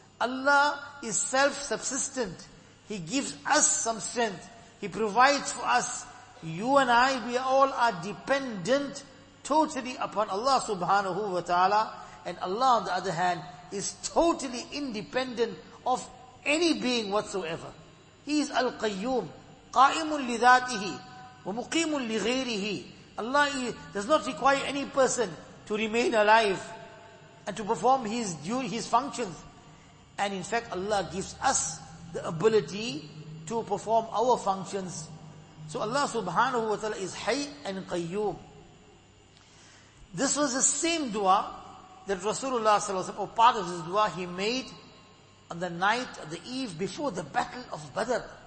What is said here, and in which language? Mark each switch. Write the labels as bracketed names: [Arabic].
[English] Allah is self-subsistent. He gives us some strength. He provides for us. You and I, we all are dependent totally upon Allah subhanahu wa ta'ala. And Allah, on the other hand, is totally independent of any being whatsoever. He is Al-Qayyum. [Arabic] قَائِمٌ لِذَاتِهِ وَمُقِيمٌ لِغَيْرِهِ [English] Allah does not require any person to remain alive and to perform his functions. And in fact, Allah gives us the ability to perform our functions. So Allah subhanahu wa ta'ala is Hayy and Qayyum. This was the same dua that Rasulullah sallallahu alaihi wasallam, or part of this dua he made on the night, the eve before the battle of Badr.